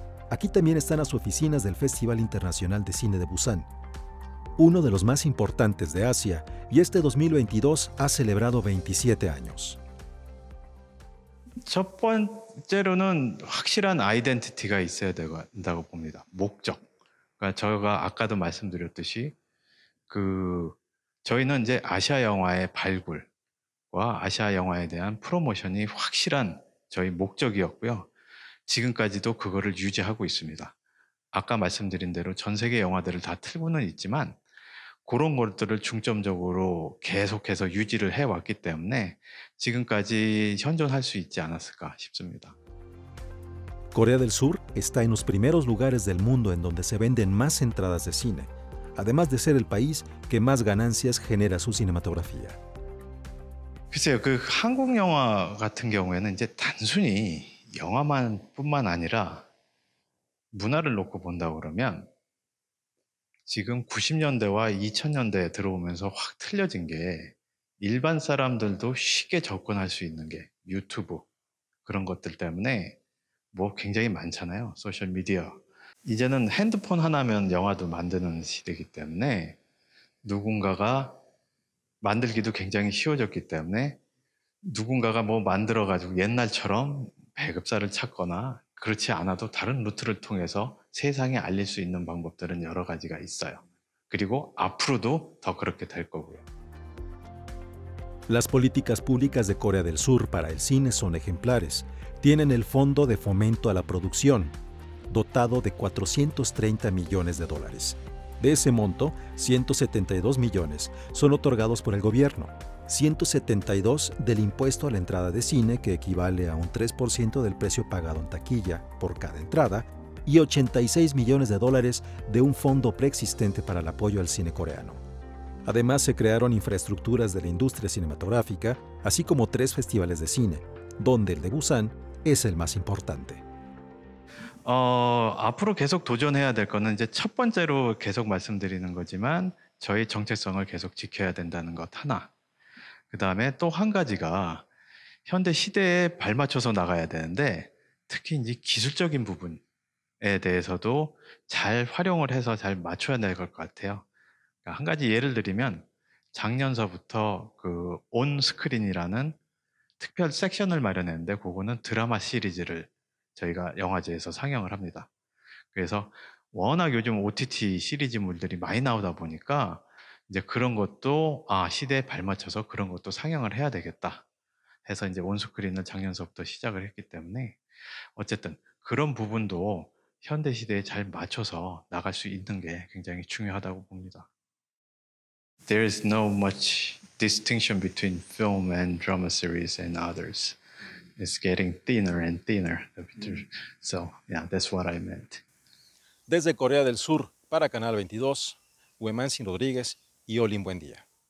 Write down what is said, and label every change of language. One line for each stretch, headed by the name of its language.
Spanish: Aquí también están las oficinas del Festival Internacional de Cine de Busan, uno de los más importantes de Asia, y este 2022 ha celebrado 27 años. Yo creo que es una identidad que tiene que tener, objetivo.
Korean: 제가 아까도 말씀드렸듯이 저희는 이제 아시아 영화의 발굴과 아시아 영화에 대한 프로모션이 확실한 저희 목적이었고요. 지금까지도 그거를 유지하고 있습니다. 아까 말씀드린 대로 전 세계 영화들을 다 틀고는 있지만 그런 것들을 중점적으로 계속해서 유지를 해왔기 때문에 지금까지 현존할 수 있지 않았을까 싶습니다.
Spanish: Corea del Sur está en los primeros lugares del mundo en donde se venden más entradas de cine, además de ser el país que más ganancias genera su cinematografía.
Korean: 글쎄요, 그 한국 영화 같은 경우에는 이제 단순히 영화만뿐만 아니라 문화를 놓고 본다 그러면 지금 90년대와 2000년대에 들어오면서 확 틀려진 게 일반 사람들도 쉽게 접근할 수 있는 게 유튜브 그런 것들 때문에 뭐 굉장히 많잖아요. 소셜 미디어. 이제는 핸드폰 하나면 영화도 만드는 시대이기 때문에 누군가가 만들기도 굉장히 쉬워졌기 때문에 누군가가 뭐 만들어 가지고 옛날처럼 배급사를 찾거나 그렇지 않아도 다른 루트를 통해서 세상에 알릴 수 있는 방법들은 여러 가지가 있어요. 그리고 앞으로도 더 그렇게 될 거고요.
Spanish: Las políticas públicas de Corea del Sur para el cine son ejemplares. Tienen el Fondo de Fomento a la Producción, dotado de 430 millones de dólares. De ese monto, 172 millones son otorgados por el gobierno, 172 del impuesto a la entrada de cine, que equivale a un 3% del precio pagado en taquilla por cada entrada, y 86 millones de dólares de un fondo preexistente para el apoyo al cine coreano. Además, se crearon infraestructuras de la industria cinematográfica, así como tres festivales de cine, donde el de Busan es el más importante.
Korean: 앞으로 계속 도전해야 될 거는 이제 첫 번째로 계속 말씀드리는 거지만 저희 정체성을 계속 지켜야 된다는 것 하나. 그다음에 또 한 가지가 현대 시대에 발맞춰서 나가야 되는데 특히 이제 기술적인 부분에 대해서도 잘 활용을 해서 잘 맞춰야 될 것 같아요. 한 가지 예를 드리면 작년서부터 그 온 스크린이라는 특별 섹션을 마련했는데 그거는 드라마 시리즈를 저희가 영화제에서 상영을 합니다. 그래서 워낙 요즘 OTT 시리즈물들이 많이 나오다 보니까 이제 그런 것도 시대에 발맞춰서 그런 것도 상영을 해야 되겠다 해서 이제 온스크린을 작년서부터 시작을 했기 때문에 어쨌든 그런 부분도 현대 시대에 잘 맞춰서 나갈 수 있는 게 굉장히 중요하다고 봅니다.
English: There is no much distinction between film and drama series and others. It's getting thinner and thinner. So, yeah, that's what I meant.
Spanish: Desde Corea del Sur, para Canal 22, Wemansin Rodríguez y Olin Buendía.